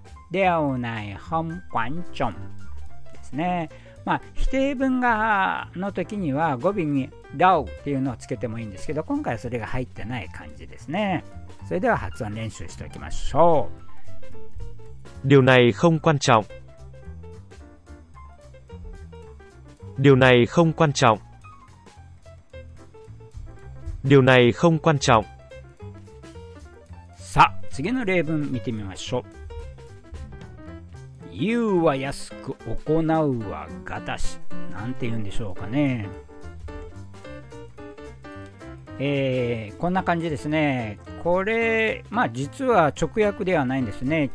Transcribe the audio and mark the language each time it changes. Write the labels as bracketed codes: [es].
[ja] ではない本关重ですね。まあ、否定文がの時には語尾にだおっていうのをつけてもいいんですけど、今回はそれが入ってない感じですね。それでは発音練習しておきましょう。 [vi] Điều này không quan trọng. Điều này không quan trọng. Điều này không quan trọng. [ja] さあ、次の例文見てみましょう。言うは安く、行うはがたし。なんて言うんでしょうかね。こんな感じですね。これ、まあ実は直訳ではないんですね。